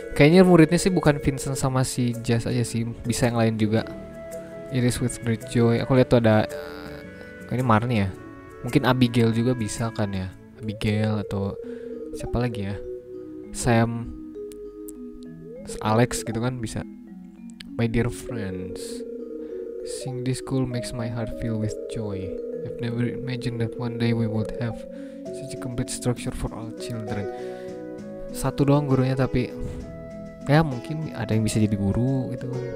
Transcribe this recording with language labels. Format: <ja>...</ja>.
<id>Kayaknya muridnya sih bukan Vincent sama si Jazz aja sih. Bisa yang lain juga.</id> <en>It is with great joy.</en> <id>Aku lihat tuh ada ini Marnie ya. Mungkin Abigail juga bisa kan ya. Abigail atau siapa lagi ya? Sam, Alex gitu kan bisa.</id> <en>My dear friends, seeing this school makes my heart fill with joy. I've never imagined that one day we would have such a complete structure for all children.</en> <id>Satu doang gurunya tapi ya mungkin ada yang bisa jadi guru gitu.</id>